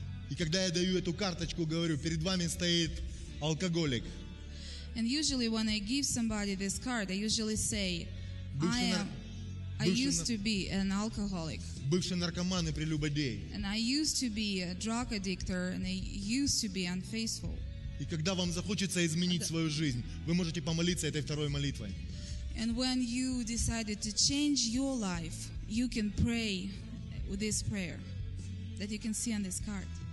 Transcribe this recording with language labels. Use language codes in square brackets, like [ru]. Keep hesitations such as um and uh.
[ru] И когда я даю эту карточку, говорю, перед вами стоит алкоголик. [en] And usually when I give somebody this card, I usually say, [ru] бывший [en] I, am, I used нар... to be an alcoholic. [ru] Бывший наркоман и прелюбодей. [en] And I used to be a drug addictor and I used to be unfaithful. [ru] И когда вам захочется изменить But... свою жизнь, вы можете помолиться этой второй молитвой. [en] And when you decided to change your life, you can pray with this prayer that you can see on this card.